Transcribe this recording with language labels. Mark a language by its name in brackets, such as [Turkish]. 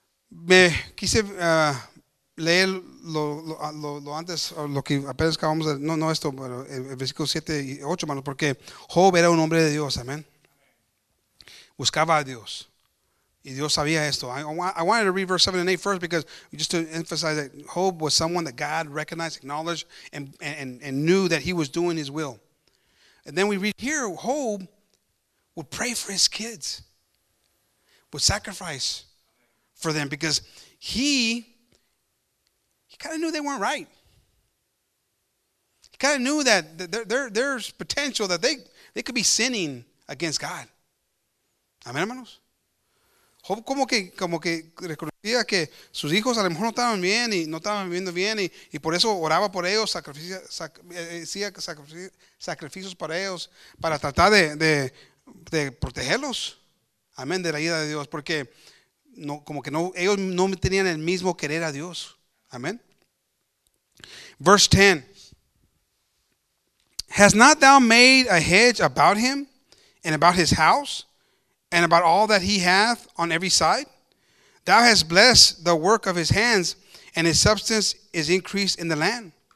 [Spanish] Me quise leer lo antes, o lo que apenas acabamos de, no esto, pero el versículo 7 y 8, hermano, porque Job era un hombre de Dios, amén. Buscaba a Dios. Y Dios sabía esto. [English] I wanted to read verse 7 and 8 first because just to emphasize that Job was someone that God recognized, acknowledged, and knew that he was doing his will. And then we read here, Job would pray for his kids, would sacrifice for them because he kind of knew they weren't right. He kind of knew that there's potential that they could be sinning against God. [Spanish] Amén, hermanos. Job como que reconocía que sus hijos a lo mejor no estaban bien y no estaban viviendo bien y por eso oraba por ellos, sacrificios para ellos para tratar de protegerlos. Amén, de la ira de Dios, porque no, como que no, ellos no tenían el mismo querer a Dios. [English] Amén. Verse 10. Has not thou made a hedge about him and about his house? And about all that he hath on every side? Thou hast blessed the work of his hands, and his substance is increased in the land.